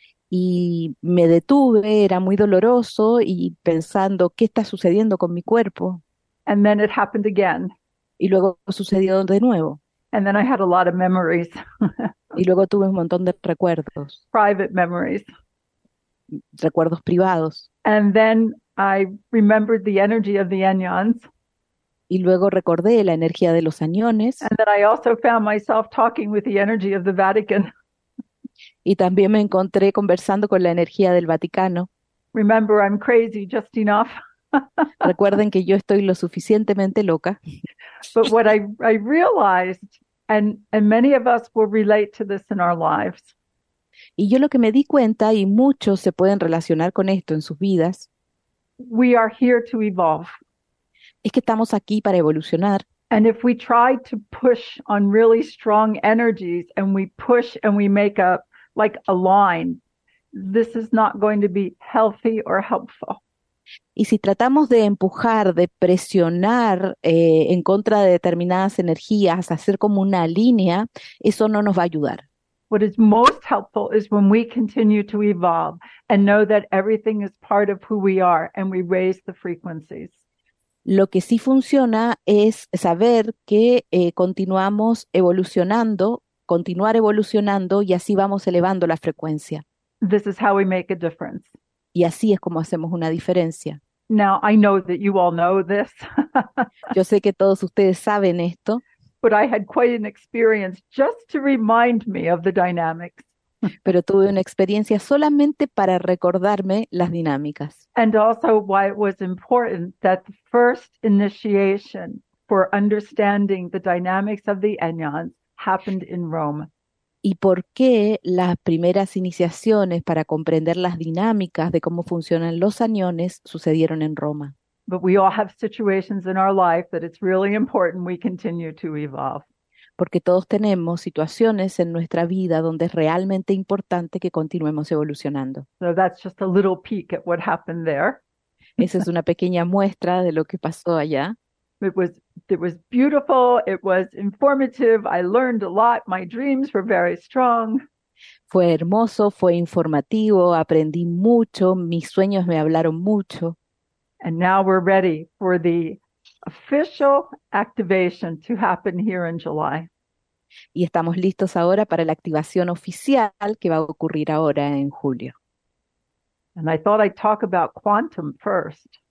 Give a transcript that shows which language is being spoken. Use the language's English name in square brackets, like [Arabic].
[Spanish] Y me detuve, era muy doloroso, y pensando, ¿qué está sucediendo con mi cuerpo? [English] And then it happened again. [Spanish] Y luego sucedió de nuevo. [English] And then I had a lot of memories. [Spanish] Y luego tuve un montón de recuerdos. [English] Private memories. [Spanish] Recuerdos privados. [English] And then I remembered the energy of the anyons. [Spanish] Y luego recordé la energía de los añones. [English] And then I also found myself talking with the energy of the Vatican. [Spanish] Y también me encontré conversando con la energía del Vaticano. [English] Remember, I'm crazy just enough. [Spanish] Recuerden que yo estoy lo suficientemente loca. [English] But what I realized, and many of us will relate to this in our lives. [Spanish] Y yo lo que me di cuenta, y muchos se pueden relacionar con esto en sus vidas. [English] We are here to evolve. [Spanish] Es que estamos aquí para evolucionar. [English] And if we try to push on really strong energies and we push and we make a like a line, this is not going to be healthy or helpful. [Spanish] Y si tratamos de empujar, de presionar en contra de determinadas energías, hacer como una línea, eso no nos va a ayudar. [English] What is most helpful is when we continue to evolve and know that everything is part of who we are and we raise the frequencies. [Spanish] Lo que sí funciona es saber que continuamos evolucionando, continuar evolucionando, y así vamos elevando la frecuencia. [English] This is how we make a difference. [Spanish] Y así es como hacemos una diferencia. [English] Now, I know that you all know this. [Spanish] Yo sé que todos ustedes saben esto. [English] But I had quite an experience just to remind me of the dynamics. [Spanish] Pero tuve una experiencia solamente para recordarme las dinámicas. [English] And also why it was important that the first initiation for understanding the dynamics of the anyons happened in Rome. [Spanish] Y por qué las primeras iniciaciones para comprender las dinámicas de cómo funcionan los anyones sucedieron en Roma. [English] But we all have situations in our life that it's really important we continue to evolve. [Spanish] Porque todos tenemos situaciones en nuestra vida donde es realmente importante que continuemos evolucionando. [English] So that's just a little peek at what happened there. [Spanish] Esa es una pequeña muestra de lo que pasó allá. [English] It was beautiful, it was informative, I learned a lot, my dreams were very strong. [Spanish] Fue hermoso, fue informativo, aprendí mucho, mis sueños me hablaron mucho. [English] And now we're ready for the official activation to happen here in July. [Spanish] Y estamos listos ahora para la activación oficial que va a ocurrir ahora en julio. [English] And I thought I'd talk about quantum first.